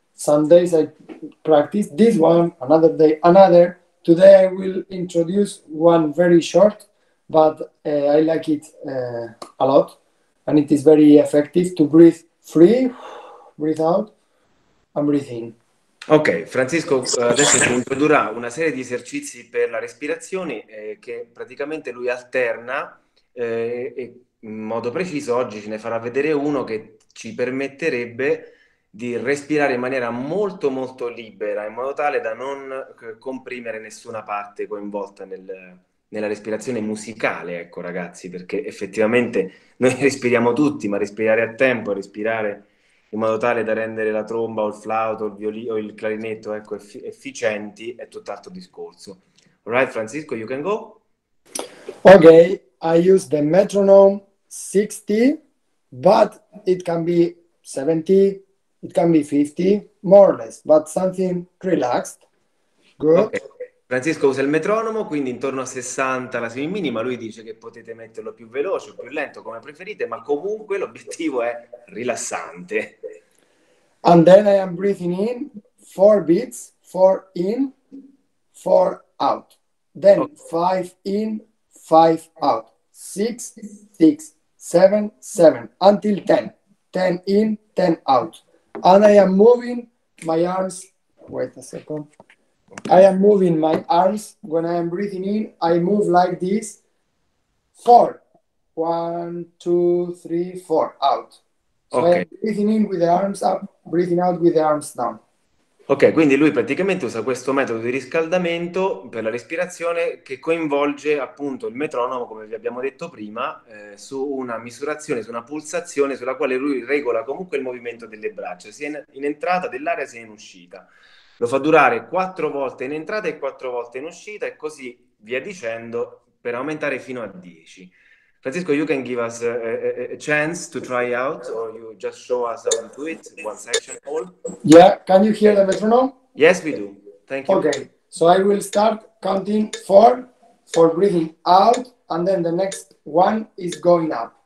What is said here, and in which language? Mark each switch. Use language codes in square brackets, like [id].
[en] Some days I practice this one, another day another. Today I will introduce one very short, but I like it a lot, and it is very effective to breathe free, breathe out, and breathe in. [it] Ok, Francisco adesso ci introdurrà una serie di esercizi per la respirazione che praticamente lui alterna, e in modo preciso oggi ce ne farà vedere uno che ci permetterebbe di respirare in maniera molto molto libera, in modo tale da non comprimere nessuna parte coinvolta nella respirazione musicale, ecco ragazzi, perché effettivamente noi respiriamo tutti, ma respirare a tempo, respirare in modo tale da rendere la tromba o il flauto o il violino o il clarinetto, ecco, efficienti, è tutt'altro discorso. [en] All right, Francisco, you can go. Ok, I use the metronome 60, but it can be 70, it can be 50, more or less, but something relaxed. [it] Good. Okay. Francisco usa il metronomo, quindi intorno a 60 la semi minima. Lui dice che potete metterlo più veloce o più lento, come preferite, ma comunque l'obiettivo è rilassante. [en] And then I am breathing in 4 beats, 4 in, 4 out. Then 5 in, 5 out. 6, 6, 7, 7, until 10. 10 in, 10 out. And I am moving my arms. Wait a second. I am moving my arms. When I am breathing in, I move like this. 4. 1, 2, 3, 4. Out. So okay. I am breathing in with the arms up, breathing out with the arms down. [it] Ok, quindi lui praticamente usa questo metodo di riscaldamento per la respirazione che coinvolge appunto il metronomo, come vi abbiamo detto prima, su una misurazione, su una pulsazione sulla quale lui regola comunque il movimento delle braccia, sia in entrata dell'aria sia in uscita. Lo fa durare 4 volte in entrata e 4 volte in uscita, e così via dicendo, per aumentare fino a 10. [en] Francisco, you can give us a chance to try out, or you just show us how to do it, one section all. Yeah, can you hear the metronome? Yes, we do. Thank you. Okay, so I will start counting 4 for breathing out, and then the next one is going up.